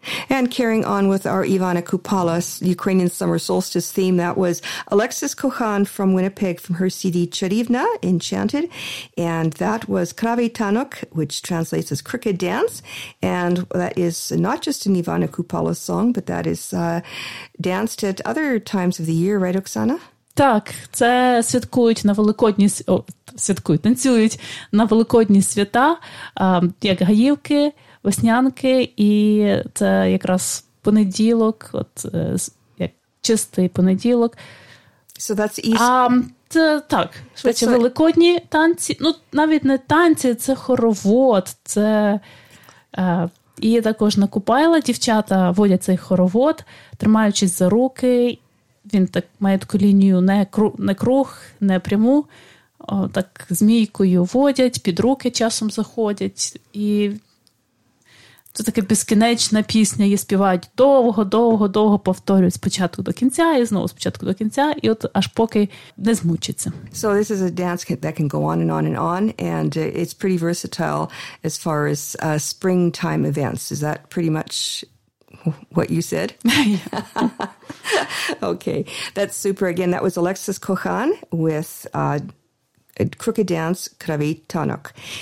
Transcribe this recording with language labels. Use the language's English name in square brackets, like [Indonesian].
[English] And carrying on with our Ivana Kupala, Ukrainian Summer Solstice theme, that was Alexis Kohan from Winnipeg from her CD Charivna, Enchanted. And that was Kravi Tanuk, which translates as Crooked Dance. And that is not just an Ivana Kupala song, but that is danced at other times of the year, right, Oksana? [Ukrainian] Так, це святкують на Великодні, святкують, танцюють на Великодні свята, як гаївки, веснянки, і це якраз понеділок, от як чистий понеділок. [English] So that's Easter. [Ukrainian] Так, швидше Великодні танці, ну, навіть не танці, це хоровод, це і також на Купайла дівчата водять цей хоровод, тримаючись за руки. Він так має таку лінію не круг, не пряму. Так змійкою водять, під руки часом заходять. І це така безкінечна пісня. Її співають довго-довго-довго, повторюють спочатку до кінця, і знову спочатку до кінця, і от аж поки не змучиться. [English] So this is a dance that can go on and on and on, and it's pretty versatile as far as springtime events. Is that pretty much what you said? Okay, that's super. Again, that was Alexis Kohan with Crooked Dance, Kravi Tanuk.